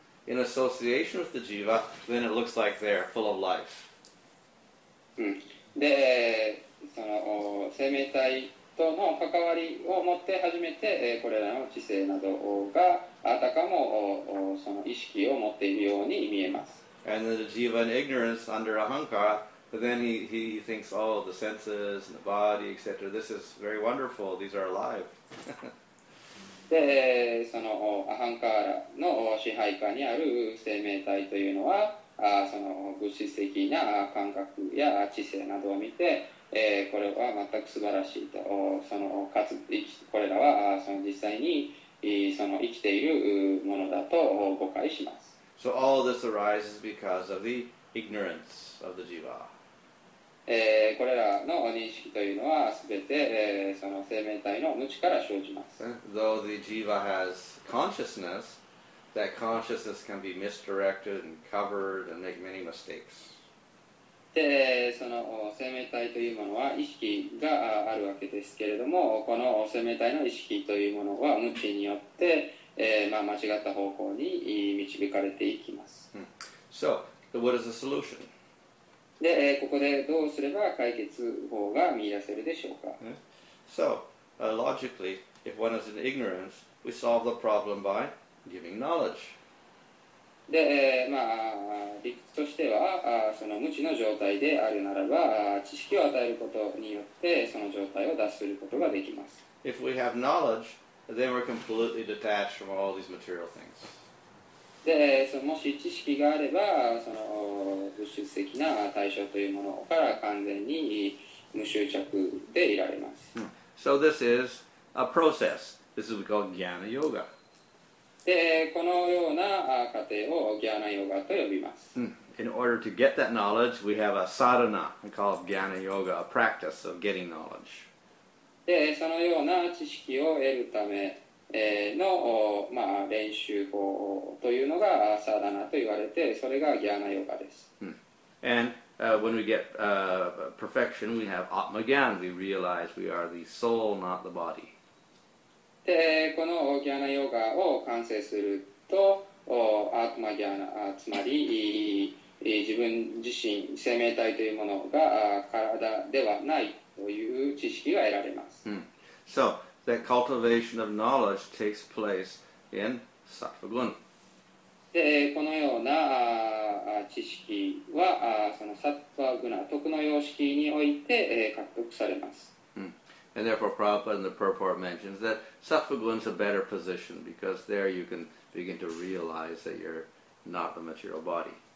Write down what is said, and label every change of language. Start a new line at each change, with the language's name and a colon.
English: in association with the jiva, then it looks like they're full of life.
Japanese: で、その生命体との関わりを持って初めて、これらの知性などがあたかもその意識を持っているように見えます。
English: And the jiva in ignorance under ahankara, but then he thinks, oh, the senses and the body, etc. This is very wonderful. These are alive.
Japanese: で、そのアハンカーラの支配下にある生命体というのは、その物質的な感覚や知性などを見て、これは全く素晴らしいと、そのかつこれらはその実際にその生きているものだと誤解します。
English: So all this arises because of the ignorance of the jiva.
Japanese: これらの認識というのはすべて、その生命体の無知から生じます。
English: Though the jiva has consciousness, that consciousness can be misdirected and covered and make many mistakes.
Japanese: で、その生命体というものは意識があるわけですけれども、この生命体の意識というものは無知によって、間違った方向に導かれていきます。
English: So, what is the solution?
Japanese: で、ここでどうすれば解決法が見出せるでしょうか。
English: So, logically, if one is in ignorance, we solve the problem by giving knowledge.
Japanese: で、まあ、理屈としては、その無知の状態であるならば、知識を与えることによって、その状態を脱することができます。
English: If we have knowledge, then we're completely detached from all these material things.
Japanese: でそのもし知識があればその物質的な対象というものから完全に無執着でいられます。
English: So this is a process. This is called Jnana Yoga.
Japanese: でこのような過程を Jnana Yoga と呼びます。
English: In order to get that knowledge, we have a sadhana called Jnana Yoga, a practice of getting knowledge.
Japanese: でそのような知識を得るための、まあ、練習法というのがサーダナと言われて、それがギャーナヨガです。
English: And when we get perfection, we have Atma Gyan. We realize we are the soul, not the body.
Japanese: で、このギャーナヨガを完成すると、アトマギャーナ、つまり自分自身、生命体というものが体ではないという知識が得られます。
English: So,that cultivation of knowledge takes place in sattva-guna.
Japanese: で、このような知識はそのsattva-guna、徳の様式において獲得されます。
English: And therefore, Prabhupada in the purport mentions that sattva-guna is a better position because there you can begin to realize that you're not the material body.